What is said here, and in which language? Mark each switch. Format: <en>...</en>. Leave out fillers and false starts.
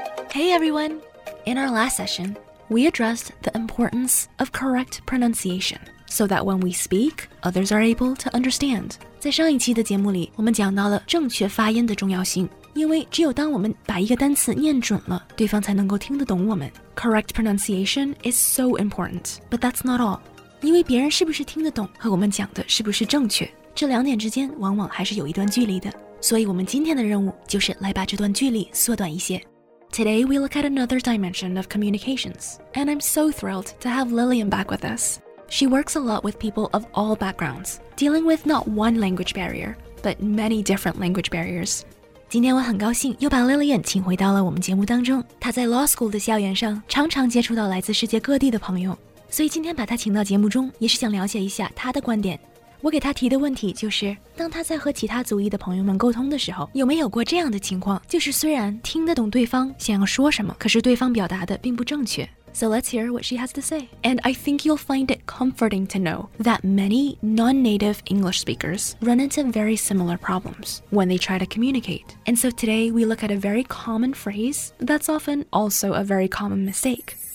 <en>Hey everyone, in our last session, we addressed the importance of correct pronunciation so that when we speak, others are able to understand.</en> <zh>在上一期的节目里，我们讲到了正确发音的重要性，因为只有当我们把一个单词念准了，对方才能够听得懂我们。</zh> <en>Correct pronunciation is so important, but that's not all.</en> <zh>因为别人是不是听得懂和我们讲的是不是正确，这两点之间往往还是有一段距离的。所以我们今天的任务就是来把这段距离缩短一些。</zh> <en>Today we look at another dimension of communications, and I'm so thrilled to have Lillian back with us. She works a lot with people of all backgrounds, dealing with not one language barrier, but many different language barriers.</en> <zh>今天我很高兴又把 Lillian 请回到了我们节目当中。她在 Law School 的校园上常常接触到来自世界各地的朋友，所以今天把她请到节目中也是想了解一下她的观点。我给她提的问题就是，当她在和其他族裔的朋友们沟通的时候，有没有过这样的情况，就是虽然听得懂对方想要说什么，可是对方表达的并不正确。</zh> <en>So let's hear what she has to say. And I think you'll find it comforting to know that many non-native English speakers run into very similar problems when they try to communicate. And so today we look at a very common phrase that's often also a very common mistake.</en>